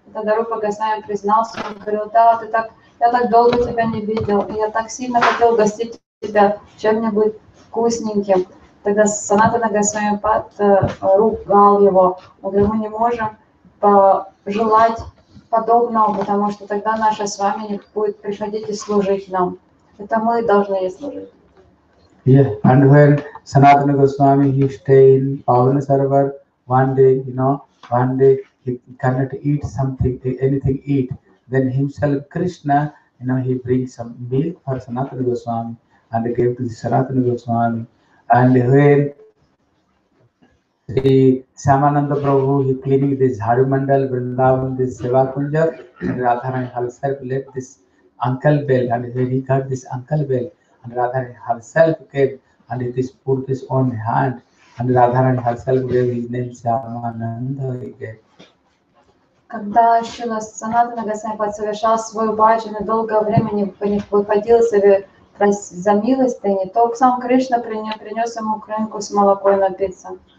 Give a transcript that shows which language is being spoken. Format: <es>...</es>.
<ru>Тогда Рупа Госвами признался, он говорил, да, ты так, я так долго тебя не видел, и я так сильно хотел угостить тебя чем-нибудь вкусненьким. Тогда Санатана Госвами ругал его, он говорил, мы не можем пожелать подобного, потому что тогда наша с вами не будет приходить и служить нам. Это мы должны ей служить.</ru> <en>Yeah, and when Sanatana Goswami, he stay in Pavana Sarovar, one day he cannot eat something, anything eat. Then himself, Krishna, you know, he brings some milk for Sanatana Goswami and gave to Sanatana Goswami. And when the Samananda Prabhu, he cleaning this Haru Mandal, Vrindavan, this Sevakunja, and Radharani herself left this uncle bell, and when he got this uncle bell, and Radharani herself came and it is put his own hand and Radharani herself gave his name Shyamananda again.</en> <ru>Когда Шрила Санатана Госвами совершал свой баджан и долгое время не выходил себе за милостыни, то сам Кришна принес ему крынку с молоком напиться.</ru>